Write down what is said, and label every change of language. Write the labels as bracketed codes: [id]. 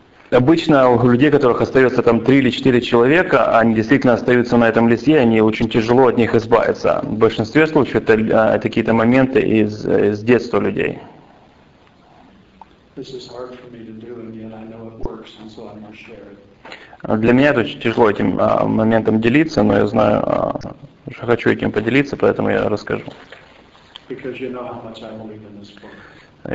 [ru] Обычно у людей, которых остается там 3 или 4 человека, они действительно остаются на этом листе, они очень тяжело от них избавиться. В большинстве случаев это какие-то моменты из детства людей. [en] This is hard for me to do, and yet I know it works. person, so I'm going to share it. [ru] Для меня это очень тяжело этим моментом делиться, но я знаю, что хочу этим поделиться, поэтому я расскажу. [en] Because you know how much I believe in this book.